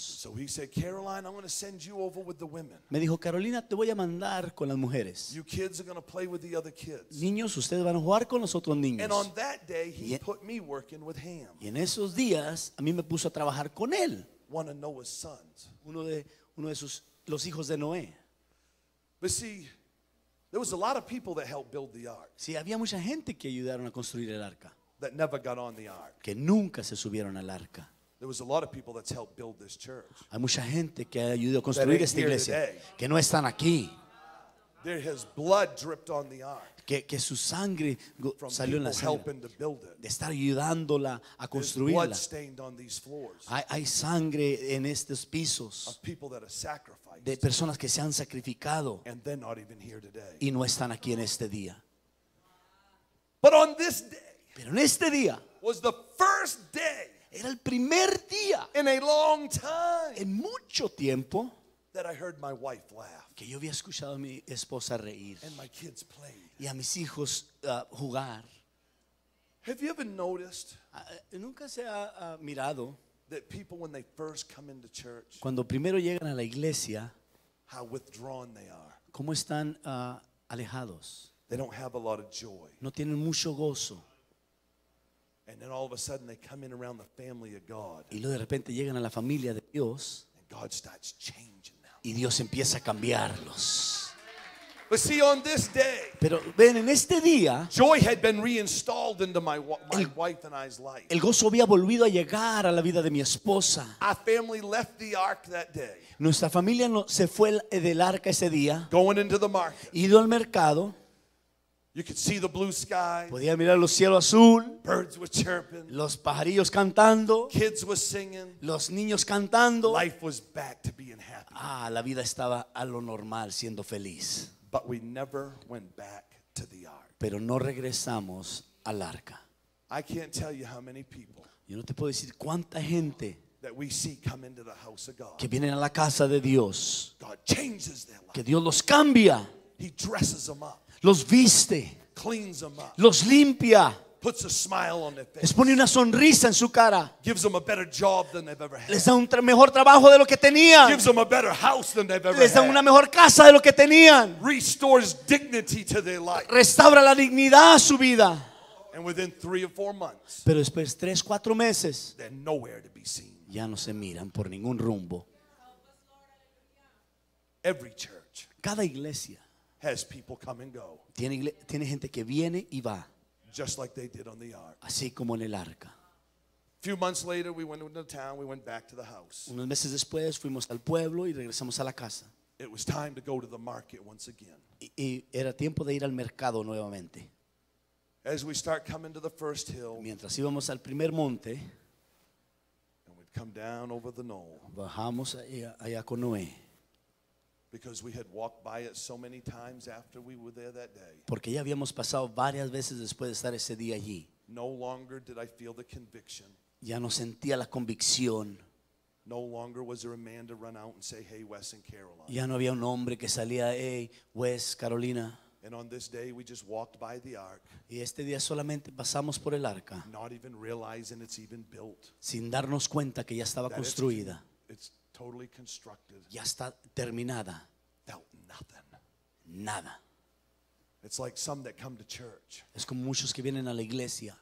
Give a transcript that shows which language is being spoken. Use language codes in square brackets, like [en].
[en] So he said, Caroline, I'm going to send you over with the women. [es] Me dijo, Carolina, te voy a mandar con las mujeres. [en] You kids are going to play with the other kids. [es] Niños, ustedes van a jugar con los otros niños. [en] And on that day, he put me working with Ham. [es] Y en esos días, a mí me puso a trabajar con él. [en] One of Noah's sons. [es] Uno de los hijos de Noé. [en] But see, there was a lot of people that helped build the ark. [es] Sí, había mucha gente que ayudaron a construir el arca. [en] That never got on the ark. [es] Que nunca se subieron al arca. [en] There was a lot of people that's helped build this church. [es] Hay mucha gente que ha ayudado a construir esta iglesia. Que no están aquí. [en] There has blood dripped on the ark. [es] Que su sangre salió en la sangre. [en] People [es] de estar ayudándola a construirla. [en] There's blood stained on these floors. [es] Hay sangre en estos pisos. [en] Of people that are sacrificed. [es] De personas que se han sacrificado. [en] And they're not even here today. [es] Y no están aquí en este día. [en] But on this day. [es] Pero en este día [en] was the first day [es] era el primer día [en] in a long time [es] en mucho tiempo [en] that I heard my wife laugh. [es] Que yo había escuchado a mi esposa reír [en] and my kids play. [es] Y a mis hijos jugar. [en] Have you ever noticed [es] nunca se ha mirado [en] that people when they first come into church [es] cuando primero llegan a la iglesia [en] how withdrawn they are. [es] Cómo están alejados. [en] They don't have a lot of joy. [es] No tienen mucho gozo. [en] And then all of a sudden they come in around the family of God. [es] Y luego de repente llegan a la familia de Dios. [en] And God starts changing them. [es] Y Dios empieza a cambiarlos. [en] But see, on this day, [es] pero ven, en este día, [en] joy had been reinstalled into my wife and I's life. [es] El gozo había volvido a llegar a la vida de mi esposa. [en] Our family left the ark that day. [es] Nuestra familia se fue del arca ese día. [en] Going into the market. [es] Ido al mercado. [en] You could see the blue sky. [es] Podía mirar los cielos azul. [en] Birds were chirping. [es] Los pajarillos cantando. [en] Kids were singing. [es] Los niños cantando. [en] Life was back to being happy. [es] Ah, la vida estaba a lo normal, siendo feliz. [en] But we never went back to the ark. [es] Pero no regresamos al arca. [en] I can't tell you how many people. [es] Yo no te puedo decir cuánta gente. [en] That we see come into the house of God. [es] Que vienen a la casa de Dios. [en] God changes their life. [es] Que Dios los cambia. [en] He dresses them up. [es] Los viste. [en] Cleans them up. [es] Los limpia. [en] Puts a smile on their face. [es] Les pone una sonrisa en su cara. [en] Gives them a better job than they've ever had. [es] Les da un mejor trabajo de lo que tenían. [en] Gives them a better house than they've ever [es] les da [en] had. [es] Una mejor casa de lo que tenían. [en] Restores dignity to their life. [es] Restaura la dignidad a su vida. [en] And within 3 or 4 months, [es] pero después de 3-4 meses, [en] they're nowhere to be seen. [es] Ya no se miran por ningún rumbo. [en] Every church. [es] Cada iglesia. [en] Has people come and go. [es] Tiene gente que viene y va. [en] Just like they did on the ark. [es] Así como en el arca. [en] A few months later, we went into town. We went back to the house. [es] Unos meses después, fuimos al pueblo y regresamos a la casa. [en] It was time to go to the market once again. [es] Y era tiempo de ir al mercado nuevamente. [en] As we start coming to the first hill. [es] Mientras íbamos al primer monte. [en] And we'd come down over the knoll. [es] Bajamos allá con Noé. [en] Because we had walked by it so many times after we were there that day. [es] Porque ya habíamos pasado varias veces después de estar ese día allí. [en] No longer did I feel the conviction. [es] Ya no sentía la convicción. [en] No longer was there a man to run out and say, "Hey, Wes and Caroline." [es] Ya no había un hombre que salía, "Hey, Wes, Carolina." [en] And on this day, we just walked by the ark. [es] Y este día solamente pasamos por el arca. [en] Not even realizing it's even built. [es] Sin darnos cuenta que ya estaba construida. [en] It's totally constructed. [es] Ya está terminada. [en] Felt nothing. [es] Nada. [en] It's like some that come to church. [es] Es como muchos que vienen a la iglesia.